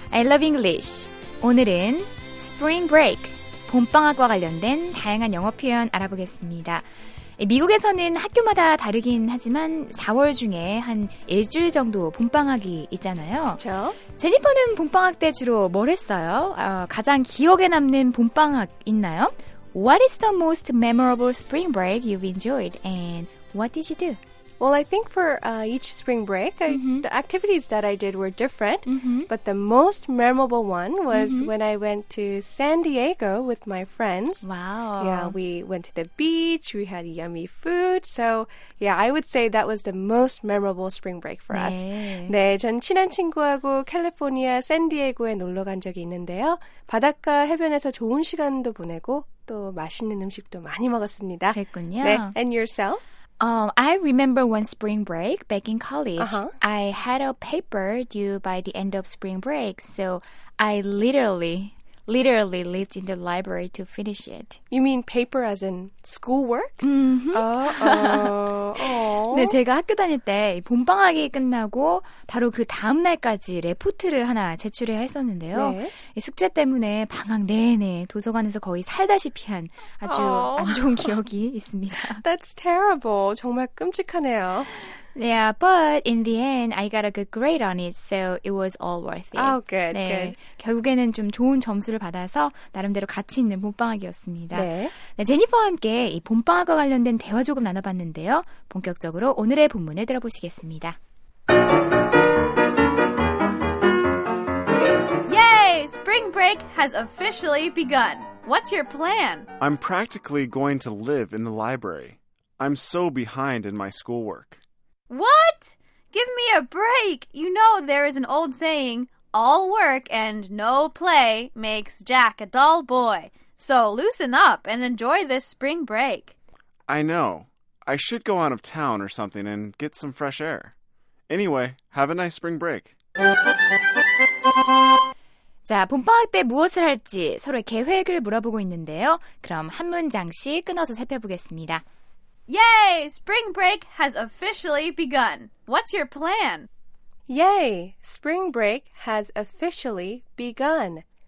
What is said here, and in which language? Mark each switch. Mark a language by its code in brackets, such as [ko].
[ko] I love English. 오늘은 Spring Break, 봄방학과 관련된 다양한 영어 표현 알아보겠습니다. 미국에서는 학교마다 다르긴 하지만 4월 중에 한 일주일 정도 봄방학이 있잖아요. 그렇죠. 제니퍼는 봄방학 때 주로 뭘 했어요? 가장 기억에 남는 봄방학 있나요? [en] What is the most memorable spring break you've enjoyed, and what did you do? Well, I think for each spring break, the activities that I did were different, but the most memorable one was when I went to San Diego with my friends. Wow. Yeah, we went to the beach, we had yummy food, so yeah, I would say that was the most memorable spring break for us. [ko] 네, 전 친한 친구하고 캘리포니아 샌디에고에 놀러 간 적이 있는데요. 바닷가 해변에서 좋은 시간도 보내고, 또 맛있는 음식도 많이 먹었습니다. 그랬군요. [en] 네, and yourself? I remember one spring break back in college. I had a paper due by the end of spring break, so I literally lived in the library to finish it. You mean paper as in schoolwork? Oh. [ko] 네, 제가 학교 다닐 때 봄방학이 끝나고 바로 그 다음 날까지 레포트를 하나 제출해야 했었는데요. 네. 숙제 때문에 방학 내내 도서관에서 거의 살다시피한 아주 안 좋은 기억이 있습니다. [en] That's terrible. 정말 끔찍하네요. Yeah, but in the end, I got a good grade on it, so it was all worth it. Oh, good, [ko] 네, [en] good. [ko] 결국에는 좀 좋은 점수를 받아서 나름대로 가치 있는 봄방학이었습니다. 네. 네, 제니퍼와 함께 이 봄방학과 관련된 대화 조금 나눠봤는데요. 본격적으로 오늘의 본문을 들어보시겠습니다. [en] Yay! Spring break has officially begun. What's your plan? I'm practically going to live in the library. I'm so behind in my schoolwork. What? Give me a break! You know there is an old saying, all work and no play makes Jack a dull boy. So loosen up and enjoy this spring break. I know. I should go out of town or something and get some fresh air. Anyway, have a nice spring break. [ko] 자, 봄방학 때 무엇을 할지 서로의 계획을 물어보고 있는데요. 그럼 한 문장씩 끊어서 살펴보겠습니다. [en] Yay! Spring break has officially begun. What's your plan? Yay! Spring break has officially begun.